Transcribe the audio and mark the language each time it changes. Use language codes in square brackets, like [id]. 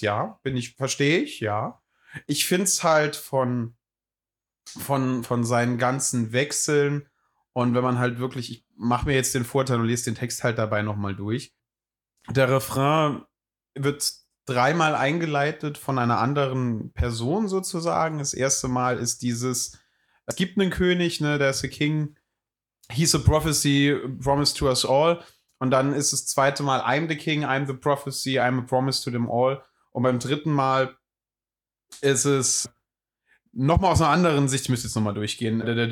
[de] Ja, verstehe ich. Ich finde es halt von seinen ganzen Wechseln und wenn man halt wirklich, ich mache mir jetzt den Vorteil und lese den Text halt dabei nochmal durch. Der Refrain wird dreimal eingeleitet von einer anderen Person sozusagen. Das erste Mal ist dieses, es gibt einen König, ne, der ist der King. [en] He's a prophecy, promise to us all. [de] Und dann ist das zweite Mal, [en] I'm the King, I'm the prophecy, I'm a promise to them all. [de] Und beim dritten Mal ist es nochmal aus einer anderen Sicht, ich müsste jetzt nochmal durchgehen.